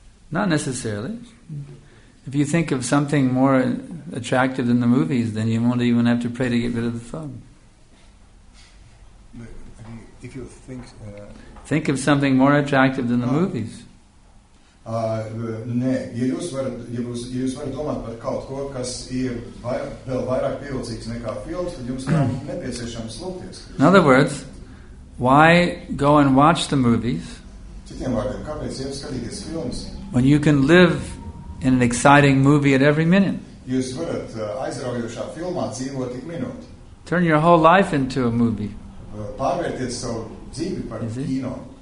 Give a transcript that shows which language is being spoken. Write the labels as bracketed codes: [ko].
[en] Not necessarily. If you think of something more attractive than the movies, then you won't even have to pray to get rid of the thought. If you think... Think of something more attractive than the movies. [lv] Nē, ja jūs varat domāt par kaut ko, kas ir vēl vairāk pievilcīgs nekā films, tad jums nav nepieciešams slūpties. [en] In other words, why go and watch the movies? [lv] Citiem vārdiem, kāpēc jums skatīties films? [en] When you can live in an exciting movie at every minute. [lv] Jūs varat aizraujošā filmā dzīvot tik minūti. [en] Turn your whole life into a movie. [lv] Pārvērties savu dzīvi par kino.